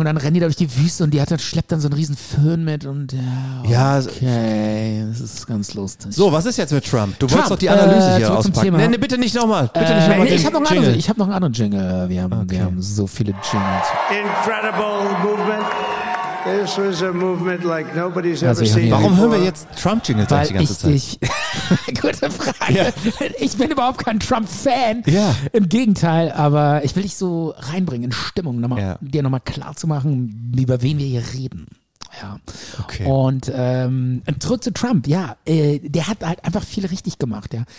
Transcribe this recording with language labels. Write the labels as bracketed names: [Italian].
[German] Und dann rennt die da durch die Wüste und schleppt dann so einen riesen Föhn mit und ja. Okay. Ja, das ist ganz lustig. So, was ist jetzt mit Trump? Du wolltest doch die Analyse hier auspacken. Nein, bitte nicht nochmal. Ich habe noch einen anderen Jingle. Wir haben so viele Jingles. [English] Incredible movement. This was a movement like nobody's ever seen. [German] Warum hören wir jetzt Trump-Jingles die ganze Zeit? Gute Frage. Ja. Ich bin überhaupt kein Trump-Fan. Ja. Im Gegenteil, aber ich will dich so reinbringen in Stimmung, nochmal, dir nochmal klar zu machen, über wen wir hier reden. Ja. Okay. Und zurück zu Trump, ja, der hat halt einfach viel richtig gemacht, ja.